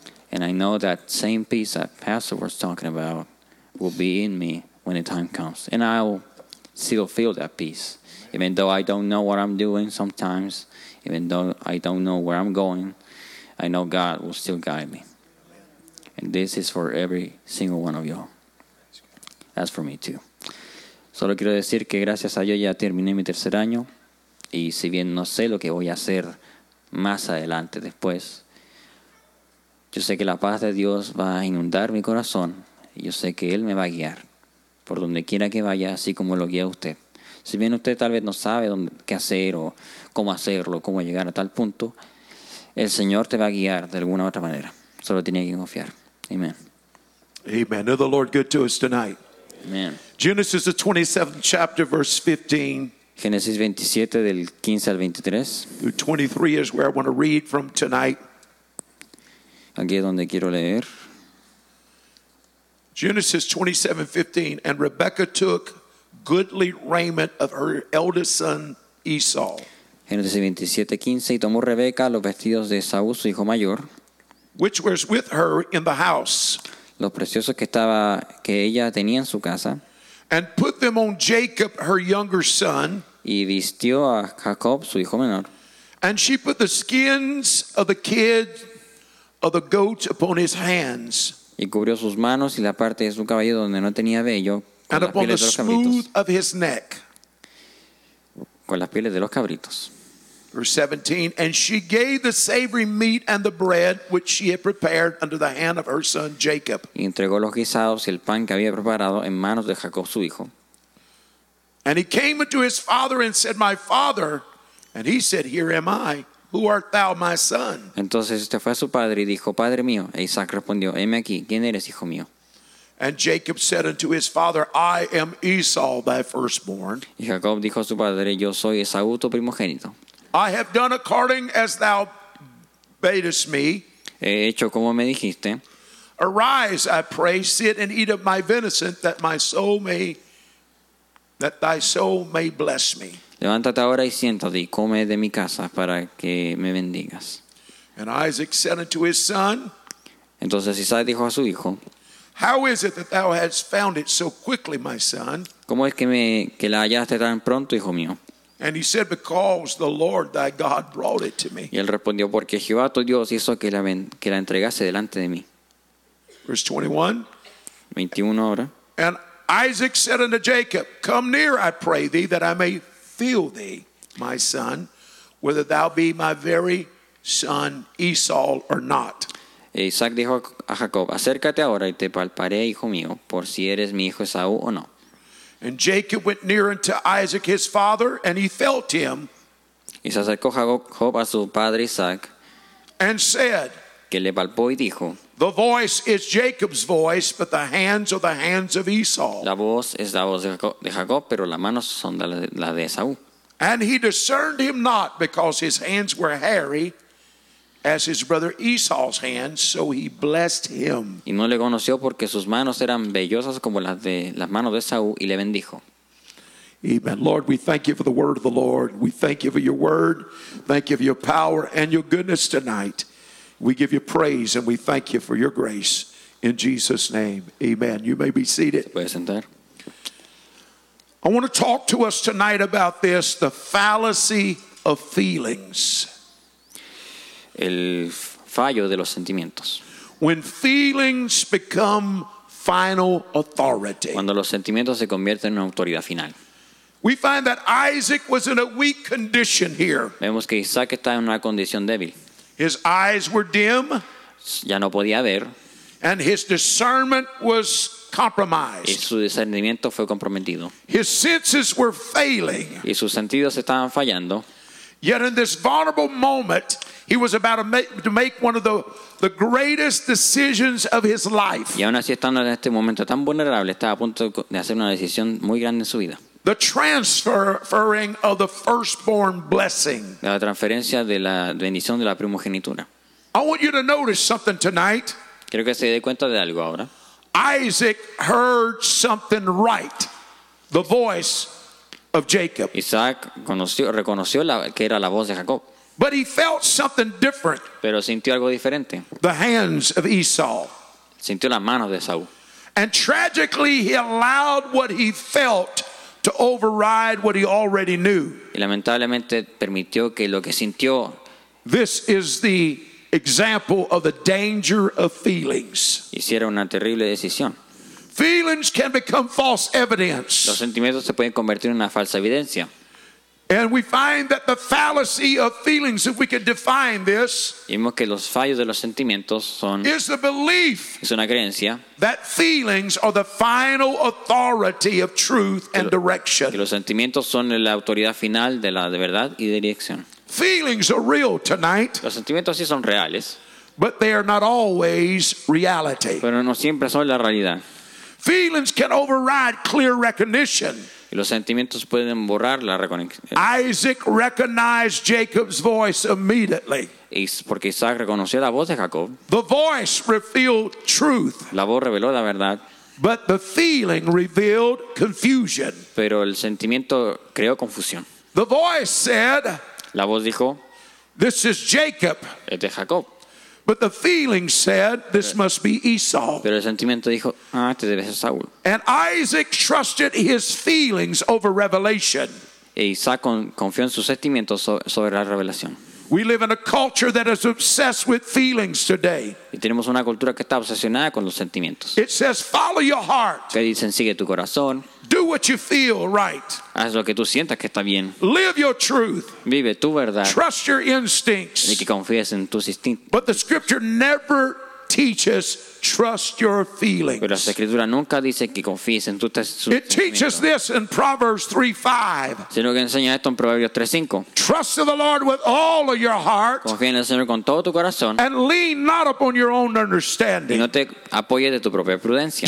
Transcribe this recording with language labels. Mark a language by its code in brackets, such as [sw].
[en] And I know that same peace that Pastor was talking about will be in me when the time comes. And I'll still feel that peace. Even though I don't know what I'm doing sometimes, even though I don't know where I'm going, I know God will still guide me. And this is for every single one of y'all. That's for me too. [es] Solo quiero decir que gracias a Dios ya terminé mi tercer año. Y si bien no sé lo que voy a hacer más adelante después, yo sé que la paz de Dios va a inundar mi corazón. Y yo sé que Él me va a guiar por donde quiera que vaya, así como lo guía usted. Si bien usted tal vez no sabe dónde, qué hacer o cómo hacerlo, cómo llegar a tal punto, el Señor te va a guiar de alguna u otra manera. Solo tiene que confiar. Amen. [en] Amen. Is the Lord good to us tonight? Amen. Genesis, the 27th chapter, verse 15. [es] Genesis 27, del 15 al 23. [en] 23 is where I want to read from tonight. [es] Aquí es donde quiero leer. Genesis 27, 15. [en] And Rebekah took goodly raiment of her eldest son Esau. [es] Genesis 27, 15. Y tomó Rebeca los vestidos de Esaú, su hijo mayor. [en] Which was with her in the house. [es] Los preciosos que ella tenía en su casa. [en] And put them on Jacob, her younger son. [es] Y vistió a Jacob, su hijo menor. [en] And she put the skins of the kid of the goat upon his hands. [es] Y cubrió sus manos y la parte de su cabello donde no tenía vello. [en] And upon the smooth of his neck. [es] Con las pieles de los cabritos. [en] Verse 17. And she gave the savory meat and the bread which she had prepared under the hand of her son Jacob. [es] Y entregó los guisados y el pan que había preparado en manos de Jacob su hijo. [en] And he came unto his father and said, My father. And he said, Here am I. Who art thou, my son? [es] Entonces este fue a su padre y dijo, Padre mío. E Isaac respondió, Heme aquí. ¿Quién eres, hijo mío? [en] And Jacob said unto his father, I am Esau, thy firstborn. [es] Y Jacob dijo a su padre, Yo soy Esaú, tu primogénito. [en] I have done according as thou badest me. [es] He hecho como me dijiste. [en] Arise, I pray, sit and eat of my venison, that my soul may, that thy soul may bless me. [es] Levántate ahora y siéntate y come de mi casa para que me bendigas. [en] And Isaac said unto his son, [es] Entonces Isaac dijo a su hijo, [en] How is it that thou hast found it so quickly, my son? [es] ¿Cómo es que la hallaste tan pronto, hijo mío? [en] And he said, Because the Lord thy God brought it to me. [es] Y él respondió, Porque Jehová tu Dios hizo que la entregase delante de mí. [en] Verse 21. [es] 21 ahora. [en] And Isaac said unto Jacob, Come near, I pray thee, that I may feel thee, my son, whether thou be my very son Esau or not. [es] Isaac dijo a Jacob, Acércate ahora y te palparé, hijo mío, por si eres mi hijo Esaú o no. [en] And Jacob went near unto Isaac his father, and he felt him. [es] Y se acercó Jacob a su padre Isaac. [en] And said, [es] que le palpó y dijo, [en] The voice is Jacob's voice, but the hands are the hands of Esau. [es] La voz es la voz de Jacob, pero las manos son la de Esaú. [en] And he discerned him not, because his hands were hairy, as his brother Esau's hands, so he blessed him. [es] Y no le conoció porque sus manos eran vellosas como las manos de Esaú y le bendijo. [en] Amen. Lord, we thank you for the word of the Lord. We thank you for your word. Thank you for your power and your goodness tonight. We give you praise and we thank you for your grace. In Jesus' name, amen. You may be seated. [es] ¿Se puede sentar? [en] I want to talk to us tonight about this, the fallacy of feelings. [es] El fallo de los sentimientos. [en] When feelings become final authority. [es] Cuando los sentimientos se convierten en una autoridad final. [en] We find that Isaac was in a weak condition here. [es] Vemos que Isaac está en una condición débil. [en] His eyes were dim. [es] Ya no podía ver. [en] And his discernment was compromised. [es] Y su discernimiento fue comprometido. [en] His senses were failing. [es] Y sus sentidos estaban fallando. [en] Yet in this vulnerable moment, he was about to make one of the greatest decisions of his life. [es] Y aún así, estando en este momento tan vulnerable, estaba a punto de hacer una decisión muy grande en su vida. [en] The transferring of the firstborn blessing. [es] La transferencia de la bendición de la primogenitura. [en] I want you to notice something tonight. [es] Quiero que se dé cuenta de algo ahora. [en] Isaac heard something right. The voice of Jacob. [es] Isaac reconoció que era la voz de Jacob. [en] But he felt something different. [es] Pero sintió algo diferente. [en] The hands of Esau. [es] Sintió las manos de Esaú. [en] And tragically he allowed what he felt to override what he already knew. [es] Y lamentablemente permitió que lo que sintió. [en] This is the example of the danger of feelings. [es] Hiciera una terrible decisión. [en] Feelings can become false evidence. [es] Los sentimientos se pueden convertir en una falsa evidencia. [en] And we find that the fallacy of feelings, if we can define this, [es] vemos que los fallos de los sentimientos son, [en] is the belief, [es] es una creencia, [en] that feelings are the final authority of truth and direction. [es] Que los sentimientos son la autoridad final de la de verdad y de dirección. [en] Feelings are real tonight. [es] Los sentimientos sí son reales. [en] But they are not always reality. [es] Pero no siempre son la realidad. [en] Feelings can override clear recognition. [es] Y los sentimientos pueden borrar la reconexión. [en] Isaac recognized Jacob's voice immediately. [es] Porque Isaac reconoció la voz de Jacob. [en] The voice revealed truth. [es] La voz reveló la verdad. [en] But the feeling revealed confusion. [es] Pero el sentimiento creó confusión. [en] The voice said, [es] la voz dijo, [en] this is Jacob. [es] Es de Jacob. [en] But the feeling said, this must be Esau. [es] Pero el sentimiento dijo, ah, este debe ser Saúl. [en] And Isaac trusted his feelings over revelation. [es] Isaac confió en sus sentimientos sobre la revelación. [en] We live in a culture that is obsessed with feelings today. [es] Y tenemos una cultura que está obsesionada con los sentimientos. [en] It says, follow your heart. [es] Que dicen, sigue tu corazón. [en] Do what you feel right. [es] Haz lo que tú sientas que está bien. [en] Live your truth. [es] Vive tu verdad. [en] Trust your instincts. [es] Y que confíes en tus instintos. [en] But the scripture never teaches trust your feelings. [es] Pero la escritura nunca dice que confíes en tus sentimientos. [en] It teaches this in Proverbs 3:5. [es] Sino que enseña esto en Proverbios 3:5. [en] Trust in the Lord with all of your heart. [es] Confía en el Señor con todo tu corazón. [en] And lean not upon your own understanding. [es] Y no te apoyes de tu propia prudencia.